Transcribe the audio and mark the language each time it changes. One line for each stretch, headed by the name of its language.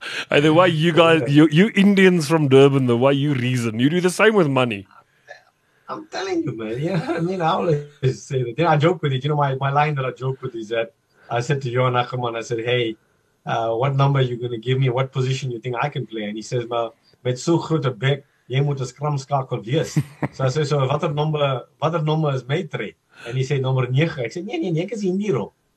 English: And the way you guys, you Indians from Durban, the way you reason, you do the same with money. I'm telling you, man. You know, I mean, I always say that. Then I joke with it. You know, my line that I joke with is that I said to Johan Ackerman, I said, hey, what number are you going to give me? What position you think I can play? And he says, well,
Afrikaans: met so groot a bek, jy moet 'n scrum skakel wees.
English: So I say, so watter number is my trade? And he said, number 9. I said,
Afrikaans: nee, ek is in die rol.